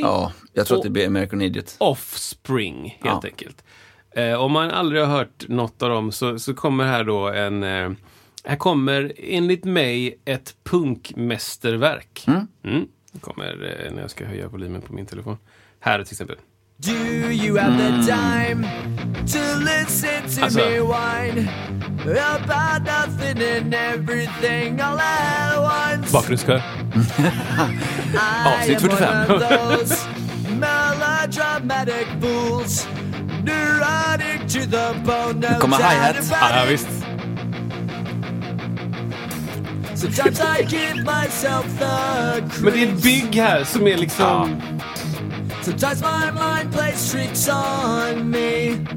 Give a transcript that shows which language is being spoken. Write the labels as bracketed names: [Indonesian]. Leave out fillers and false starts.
[Swedish] Ja, jag tror att det blir American Idiot. Offspring, helt enkelt. Om man aldrig har hört något av dem så kommer här då en... här kommer, enligt mig, ett punkmästerverk. Det kommer när jag ska höja volymen på min telefon. Här till exempel. [English] Do you have the time to listen to me whine about nothing and everything all at once? [Swedish] Bakgrundskör. Avsnitt 45. [English] Melodramatic fools. Neurotic to the bone. Now come on, hi-hats. Sometimes I give myself the creeps. [Swedish] Men det är ett bygg här som är liksom... [English] Sometimes my mind plays tricks on me.